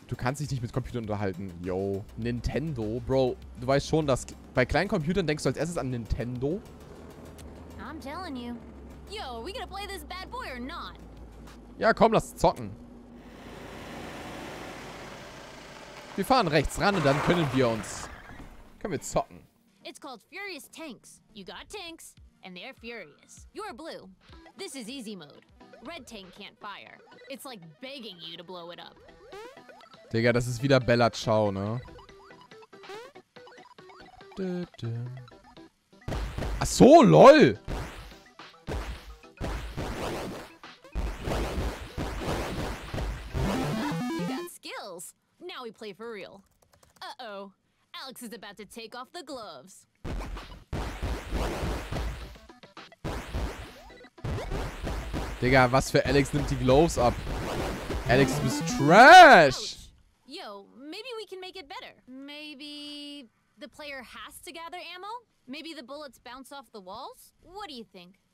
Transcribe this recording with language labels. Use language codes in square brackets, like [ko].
[de] Hm, du kannst dich nicht mit Computern unterhalten. Yo. Nintendo? Bro, du weißt schon, dass bei kleinen Computern denkst du als erstes an Nintendo? [en] I'm telling you. Yo, are we gonna play this bad boy or not? [de] Ja, komm, lass zocken. Wir fahren rechts ran und dann können wir uns. Können wir zocken. [en] It's called Furious Tanks. You got tanks and they're furious. You're blue. This is easy mode. Red tank can't fire. It's like begging you to blow it up. [de] Digga, das ist wieder Bella Ciao, ne? Ach so, lol. [en] You got skills. Now we play for real. Uh-oh. Alex is about to take off the gloves. [de] Digga, was für Alex nimmt die Gloves ab? Alex, du bist trash! [en] Yo, maybe we can make it better. Maybe the player has to gather ammo? Maybe the bullets bounce off the walls? What do you think?